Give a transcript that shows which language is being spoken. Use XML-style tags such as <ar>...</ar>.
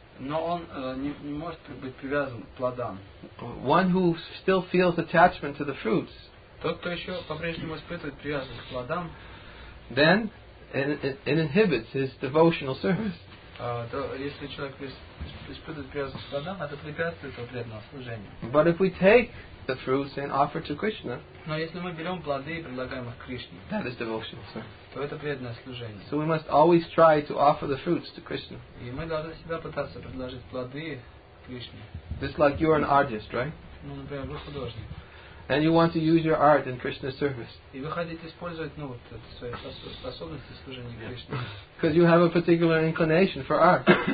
<ru>Но он не может быть привязан к плодам.</ru> <en>One who still feels attachment to the fruits.</en> <ru>Тот, кто еще по-прежнему испытывает привязанность к плодам.</ru> <en>Then it inhibits his devotional service.</en> <ru>То если человек испытывает привязанность к плодам, это препятствует его преданному служению.</ru> <en>But if we take the fruits and offer to Krishna.</en> <ru>Но если мы берем плоды и предлагаем их Кришне.</ru> <en>That is devotional service.</en> <ru>То это преданное служение.</ru> <en>So we must always try to offer the fruits to Krishna.</en> <ru>И мы должны всегда пытаться предложить плоды Кришне.</ru> <en>Just like you're an artist, right?</en> <ru>Ну, например, вы художник.</ru> <en>And you want to use your art in Krishna's service.</en> <ru>И вы хотите использовать, ну, вот это, свои способности служения Кришне.</ru> <en>Because you have a particular inclination for art.</en>